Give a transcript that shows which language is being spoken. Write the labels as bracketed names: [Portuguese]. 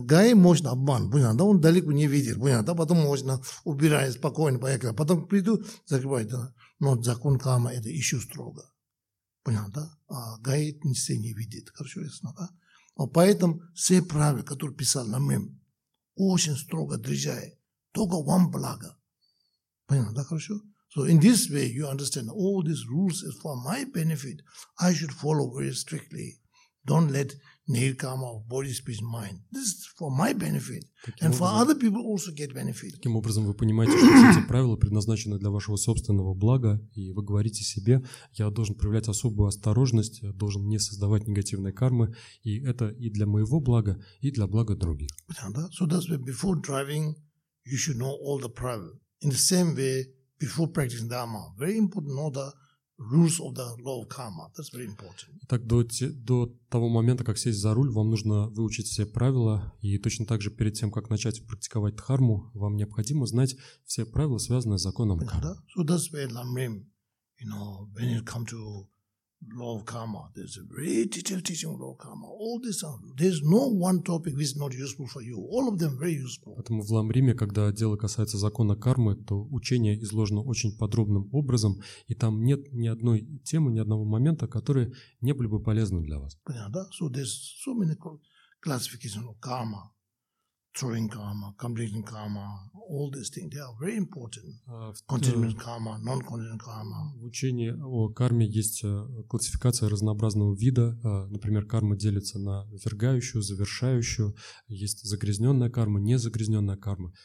[Russian] Гай можно обман, понятно, да? Он далеко не видит, понятно, да? Потом можно убирать спокойно, поехать. Потом приду, закрывать, да? Но закон кармы это еще строго. Понятно, да? А гай все не видит, хорошо, ясно, да? А поэтому все правила, которые писал на мем, очень строго держай. Только вам благо. Понятно, да, хорошо? [English] So in this way, you understand all these rules is for my benefit. I should follow very strictly. Don't let nirkama of body, speech, mind. This is for my benefit. And for other people also get benefit. [Russian] Таким образом, вы понимаете, что эти правила предназначены для вашего собственного блага, и вы говорите себе, я должен проявлять особую осторожность, должен не создавать негативной кармы, и это и для моего блага, и для блага других. [English] So that's why before driving, you should know all the правила. In the same way, before practicing dharma, very important to know the rules of the law of karma. That's very important. [Russian] Итак, до того момента, как сесть за руль, вам нужно выучить все правила, и точно так же перед тем, как начать практиковать дхарму, вам необходимо знать все правила, связанные с законом кармы. [English] So that's why Lamrim, you know, when you come to law of karma, there's a very detailed teaching of law of karma. All this, there's no one topic which is not useful for you. All of them very useful. [Russian] Поэтому в Ламриме, когда дело касается закона кармы, то учение изложено очень подробным образом, и там нет ни одной темы, ни одного момента, которые не были бы полезны для вас. Понятно, да? [English] So there's so many classification of karma. Throwing karma, completing karma, all these things, they are very important. Continuing karma, non-continuing karma. [Russian] В учении о карме есть классификация разнообразного вида. Например, карма делится на ввергающую, завершающую. Есть загрязненная карма, незагрязненная карма.